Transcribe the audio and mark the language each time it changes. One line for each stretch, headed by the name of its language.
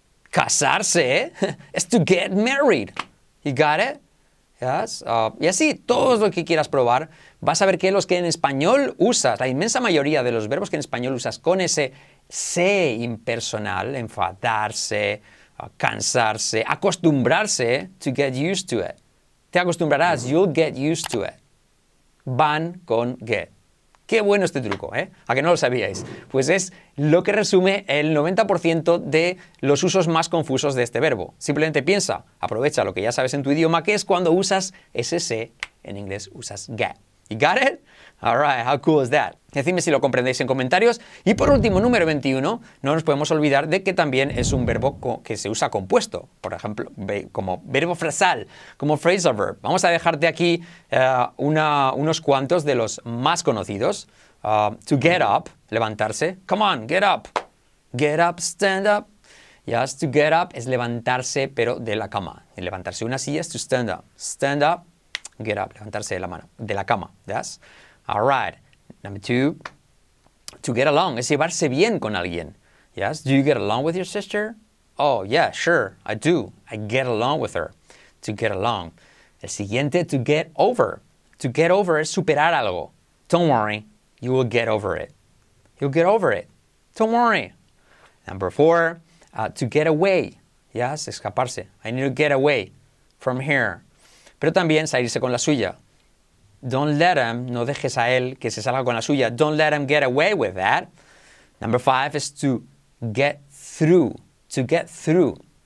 Spanish: Casarse es
English: to get married. You got it? Yes.
Spanish: Y así, todo lo que quieras probar, vas a ver que los que en español usas, la inmensa mayoría de los verbos que en español usas con ese se impersonal, enfadarse, cansarse, acostumbrarse,
English: to get used to it.
Spanish: Te acostumbrarás,
English: you'll get used to it.
Spanish: Van con get. Qué bueno este truco, ¿eh? ¿A que no lo sabíais? Pues es lo que resume el 90% de los usos más confusos de este verbo. Simplemente piensa, aprovecha lo que ya sabes en tu idioma, que es cuando usas ese se, en inglés usas get.
English: You got it? All right, how cool is that?
Spanish: Decidme si lo comprendéis en comentarios. Y por último, número 21, no nos podemos olvidar de que también es un verbo que se usa compuesto. Por ejemplo, como verbo frasal, como phrasal verb. Vamos a dejarte aquí unos cuantos de los más conocidos.
English: To get up,
Spanish: levantarse.
English: Come on, get up. Get up, stand up.
Spanish: Yes, to get up es levantarse, pero de la cama. Y levantarse de una silla es to stand up.
English: Stand up, get up,
Spanish: levantarse de la mano, de la cama.
English: Yes? All right. Number two, to get along,
Spanish: es llevarse bien con alguien.
English: Yes, do you get along with your sister? Oh, yeah, sure, I do. I get along with her. To get along.
Spanish: El siguiente, to get over. To get over es superar algo.
English: Don't worry, you will get over it. You'll get over it. Don't worry. Number four, to get away. Yes,
Spanish: escaparse.
English: I need to get away from here.
Spanish: Pero también salirse con la suya.
English: Don't let him,
Spanish: no dejes a él que se salga con la suya.
English: Don't let him get away with that. Number five is to get through. To get through.